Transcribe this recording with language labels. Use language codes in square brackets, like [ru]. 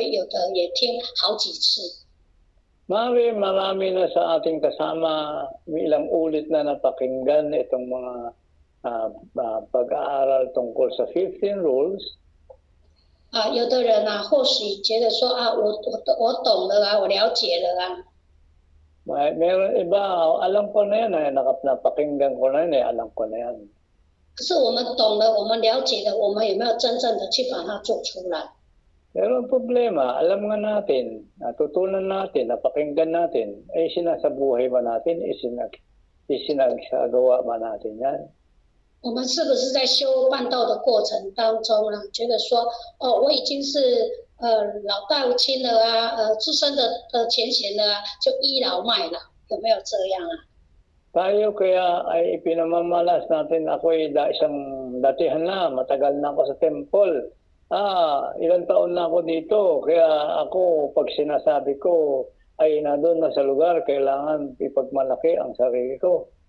[zh] 或许啊，我们啊，前前啊也听十五条佛规，有的也听好几次。 [tl] Mare, marami na sa ating kasama, ilang ulit na napakinggan itong mga pag-aaral tungkol sa 15 rules. [zh] 有的人啊，或许觉得说啊，我懂了啊，我了解了啊。 [tl] Mayroon iba, alam ko na yan, napakinggan ko na yan, alam ko na yan. [zh] Kasi 我们懂了, 我们了解了, 我们有没有真正的去把它做出来? [tl] Meron problema, alam nga natin, natutunan natin, napakinggan natin, ay sinasabuhay ba natin, isinagsagawa ba natin yan? [zh] 我们是不是在修办道的过程当中呢？觉得说，哦，我已经是老道亲了啊，资深的前贤了啊，就倚老卖老，有没有这样啊？ [tl] Tayo kaya ay ipinamamalas natin, ako ay isang datihan na, matagal na ako sa temple. Ilang taon na ako dito, kaya ako, pag sinasabi ko, ay na doon na sa lugar, kailangan ipagmalaki ang sarili ko.